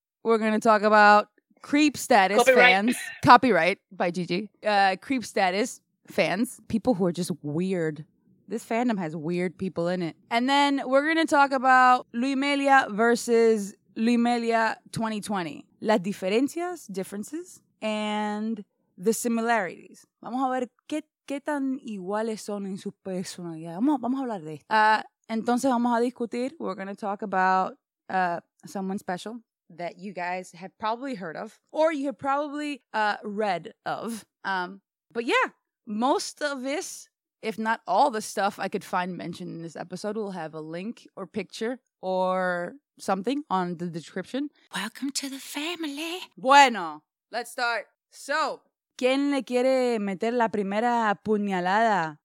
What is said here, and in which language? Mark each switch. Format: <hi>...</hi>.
<en>We're going to talk about creep status fans. Copyright by Gigi. Creep status fans. People who are just weird. This fandom has weird people in it. And then we're going to talk about Luimelia versus Luimelia 2020.</en> <es>Las diferencias,</es> <en>differences, and the similarities.</en> <es>Vamos a ver qué tan iguales son en su personalidad. Vamos a hablar de esto. Entonces vamos a discutir.</es> <en>We're going to talk about someone special that you guys have probably heard of or you have probably read of. But yeah, most of this, if not all the stuff I could find mentioned in this episode, will have a link or picture or something on the description. Welcome to the family.</en> <es>Bueno,</es> <en>let's start.</en> <es>So, ¿quién le quiere meter la primera puñalada?</es>